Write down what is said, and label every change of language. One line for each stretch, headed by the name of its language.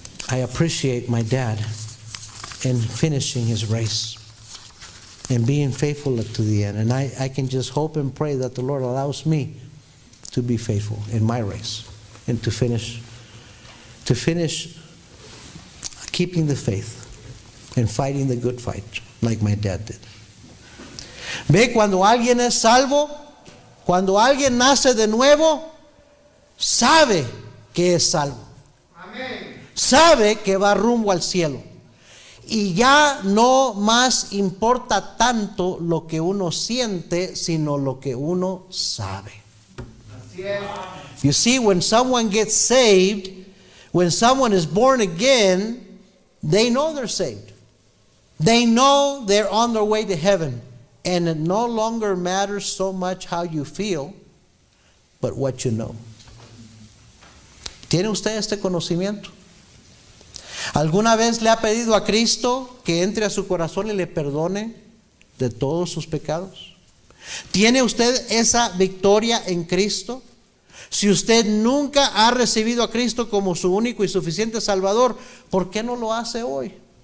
English: I appreciate my dad in finishing his race and being faithful to the end. And I can just hope and pray that the Lord allows me to be faithful in my race and to finish keeping the faith and fighting the good fight like my dad did.
Spanish: Ve, cuando alguien es salvo, cuando alguien nace de nuevo, sabe que es salvo. Amén. sabe que va rumbo al cielo. Y ya no más importa tanto lo que uno siente, sino lo que uno sabe.
English: You see, when someone gets saved, when someone is born again, they know they're saved. They know they're on their way to heaven. And it no longer matters so much how you feel, but what you know.
Spanish: ¿Tiene usted este conocimiento? ¿Alguna vez le ha pedido a Cristo que entre a su corazón y le perdone de todos sus pecados? ¿Tiene usted esa victoria en Cristo? Si usted nunca ha recibido a Cristo como su único y suficiente Salvador, ¿por qué no lo hace hoy?